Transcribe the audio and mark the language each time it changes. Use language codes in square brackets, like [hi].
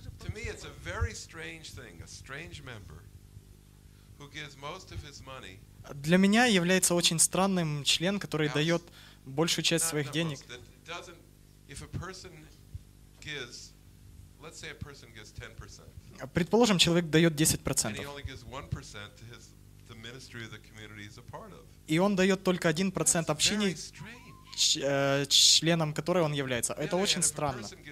[en] To me, it's a very strange thing, a strange member who gives most of his money. [ru] Для меня является очень странным член, который дает большую часть своих денег. [en] If a person gives, let's say a person gives 10%. [ru] Предположим, человек дает 10%. [en] And he only gives 1% to his the ministry of the community he's a part of. [ru] И он дает только 1% общине, членом которой он является. Это очень странно.